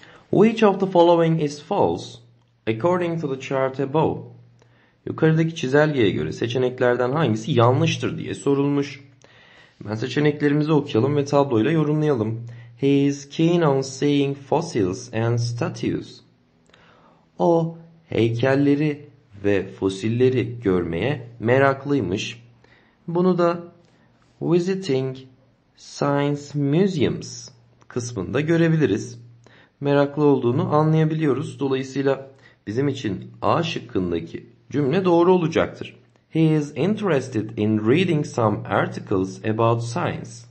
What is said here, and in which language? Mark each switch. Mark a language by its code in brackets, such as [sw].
[en] Which of the following is false according to the chart above? [tr] Yukarıdaki çizelgeye göre seçeneklerden hangisi yanlıştır diye sorulmuş. Ben seçeneklerimizi okuyalım ve tabloyla yorumlayalım. [en] He is keen on seeing fossils and statues. [tr] O heykelleri ve fosilleri görmeye meraklıymış. Bunu da [en] visiting science museums [tr] kısmında görebiliriz. Meraklı olduğunu anlayabiliyoruz. Dolayısıyla bizim için A şıkkındaki cümle doğru olacaktır. [en] He is interested in reading some articles about science.